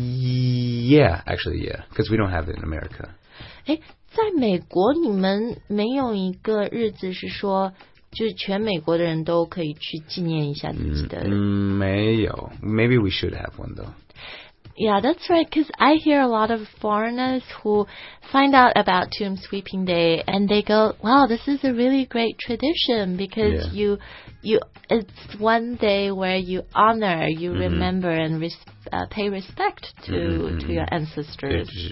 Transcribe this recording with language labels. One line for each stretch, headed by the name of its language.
English: Yeah, actually, because we don't have it in America.
Chinese: 在美国你们没有一个日子是说就是全美国的人都可以去纪念一下自己的？没有
English: ，Maybe we should have one though. Yeah, that's right, because I hear a lot of foreigners who find out about Tomb Sweeping Day, and they go, wow, this is a really great tradition, because it's one day where you honor, you remember, and pay respect to your ancestors.